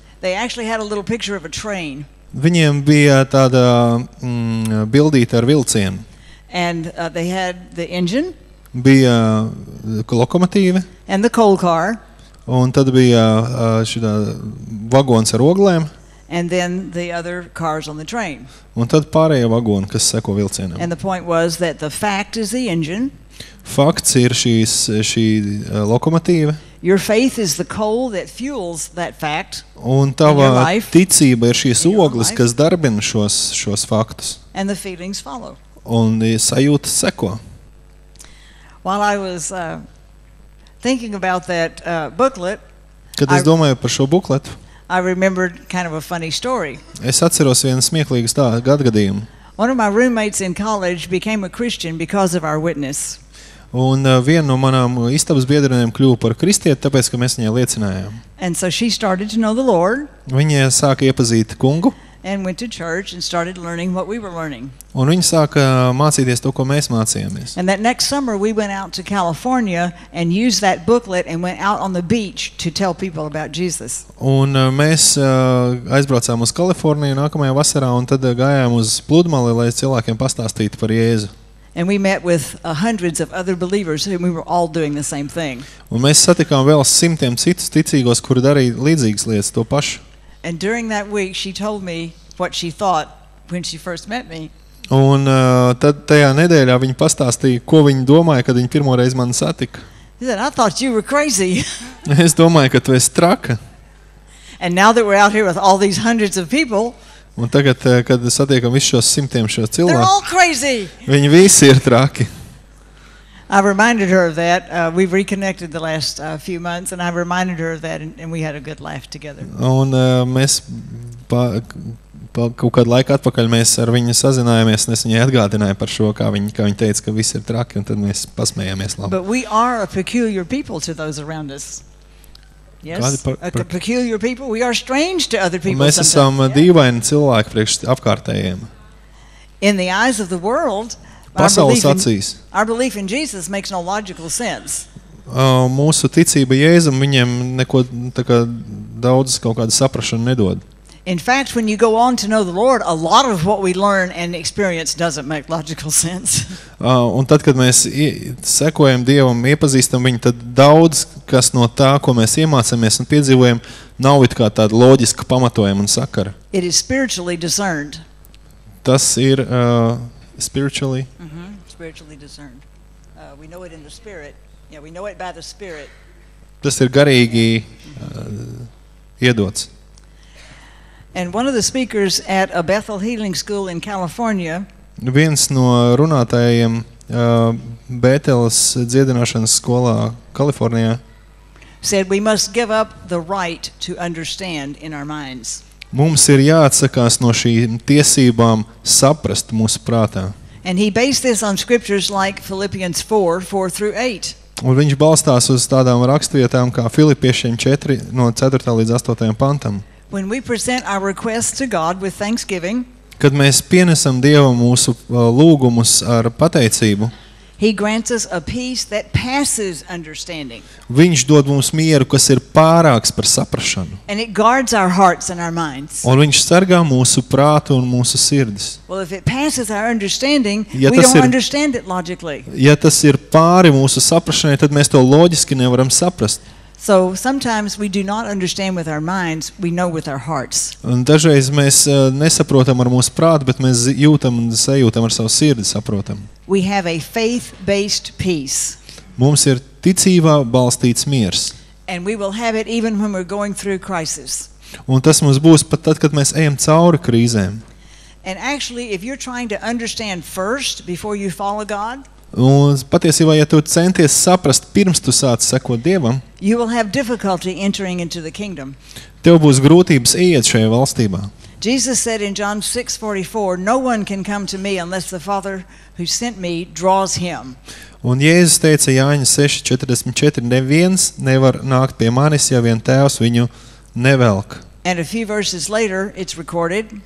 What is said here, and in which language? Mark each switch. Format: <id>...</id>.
<en>They actually had a little picture of a train.</en> <lv>Viņiem bija tāda bildīte ar vilcienu.</lv> <en>And they had the engine.</en> <lv>Bija lokomotīve.</lv> <en>And the coal car.</en> <lv>Un tad bija šitā vagons ar oglēm.</lv> <en>and then the other cars on the train.</en> <lv>Un tad pārējie vagoni, kas seko vilcienam.</lv> <en>And the point was that the fact is the engine.</en> <lv>Fakts ir šī lokomotīva.</lv> <en>Your faith is the coal that fuels that fact.</en> <lv>Un tava ticība ir šīs ogles, kas darbina šos faktus.</lv> <en>And the feelings follow.</en> <lv>Un sajūtas seko.</lv> <en>While I was thinking about that booklet,</en> <lv>kad es domāju par šo bukletu,</lv> <en>I remembered kind of a funny story.</en> <lv>Es atceros vienu smieklīgu gadgadījumu.</lv> <en>One of my roommates in college became a Christian because of our witness.</en> <lv>Un viena no manām istabas biedrenēm kļuva par kristieti, tāpēc, ka mēs viņai liecinājām.</lv> <en>And so she started to know the Lord.</en> <lv>Viņa sāka iepazīt kungu.</lv> <en>And went to church and started learning what we were learning.</en> <lv>Un viņa sāka mācīties to, ko mēs mācījāmies.</lv> <en>And that next summer we went out to California and used that booklet and went out on the beach to tell people about Jesus.</en> <lv>Un mēs aizbraucām uz Kaliforniju nākamajā vasarā un tad gājām uz pludmali, lai cilvēkiem pastāstītu par Jēzu.</lv> <en>And we met with hundreds of other believers and we were all doing the same thing.</en> <lv>Un mēs satikām vēl simtiem citus ticīgos, kuri darīja līdzīgas lietas, to pašu.</lv> <en>And during that week she told me what she thought when she first met me.</en> <lv>Un tad tajā nedēļā viņa pastāstīja, ko viņa domāja, kad viņa pirmo reizi mani satika.</lv> <en>She said, I thought you were crazy.</en> <lv>Es domāju, ka tu esi traka.</lv> <en>And now that we're out here with all these hundreds of people,</en> <lv>un tagad, kad satiekam visu šos simtiem šo cilvēku,</lv> <en>they're all crazy.</en> <lv>Viņi visi ir traki.</lv> <en>I reminded her of that. We've reconnected the last few months and I reminded her of that and we had a good laugh together.</en> <lv>Un mēs kaut kādu laiku atpakaļ mēs ar viņu sazinājāmies un es viņai atgādināju par šo, kā viņa teica, ka viss ir traki un tad mēs pasmējāmies labi.</lv> <en>But we are a peculiar people to those around us. Yes, a peculiar people. We are strange to other people.</en> <lv>Mēs esam dīvaini cilvēki priekš apkārtējiem.</lv> <en>In the eyes of the world,</en> <lv>pasaules acīs.</lv> <en>Our belief in Jesus makes no logical sense.</en> <lv>Mūsu ticība Jēzum viņiem neko tā kā daudz kaut kādu saprašanu nedod.</lv> <en>In fact, when you go on to know the Lord, a lot of what we learn and experience doesn't make logical sense.</en> <lv>Un tad, kad mēs sekojam Dievam, iepazīstam viņu, tad daudz, kas no tā, ko mēs iemācāmies un piedzīvojam, nav it kā tāda loģiska pamatojuma un sakara.</lv> <en>It is spiritually discerned.</en> <lv>Tas ir spiritually. Mm-hmm.</lv> <en>Spiritually discerned. We know it in the spirit. Yeah, we know it by the spirit.</en> <lv>Tas ir garīgi iedots.</lv> <en>And one of the speakers at a Bethel Healing School in California.</en> <lv>Viens no runātājiem Bethels dziedināšanas skolā Kalifornijā.</lv> <en>Said we must give up the right to understand in our minds.</en> <lv>Mums ir jāatsakās no šīm tiesībām saprast mūsu prātā.</lv> <en>And he based this on scriptures like Philippians 4, 4 through 8.</en> <lv>Un viņš balstās uz tādām rakstvietām kā Filipiešiem 4 no 4. Līdz 8. Pantam.</lv> <en>When we present our requests to God with thanksgiving,</en> <lv>kad mēs pienesam Dievam mūsu lūgumus ar pateicību,</lv> <en>he grants us a peace that passes understanding.</en> <lv>Viņš dod mums mieru, kas ir pārāks par saprašanu.</lv> <en>And it guards our hearts and our minds.</en> <lv>Un viņš sargā mūsu prātu un mūsu sirdis.</lv> <en>Well, if it passes our understanding, ja we don't understand it logically.</en> <lv>Ja tas ir pāri mūsu saprašanai, tad mēs to loģiski nevaram saprast.</lv> <en>So sometimes we do not understand with our minds, we know with our hearts.</en> <lv>Un dažreiz mēs nesaprotam ar mūsu prātu, bet mēs jūtam un sajūtam ar savu sirdi, saprotam.</lv> <en>We have a faith-based peace.</en> <lv>Mums ir ticībā balstīts miers.</lv> <en>And we will have it even when we're going through crisis.</en> <lv>Un tas mums būs pat tad, kad mēs ejam cauri krīzēm.</lv> <en>And actually, if you're trying to understand first before you follow God,</en> <lv>un patiesībā, ja tu centies saprast, pirms tu sāc sekot Dievam,</lv> <en>you will have difficulty entering into the kingdom.</en> <lv>Tev būs grūtības ieiet šajā valstībā.</lv> <en>Jesus said in John 6:44, no one can come to me unless the Father who sent me draws him.</en> <lv>Un Jēzus teica Jāņa 6:44, neviens nevar nākt pie manis, ja vien Tēvs viņu nevelk.</lv> <en>And a few verses later it's recorded.</en>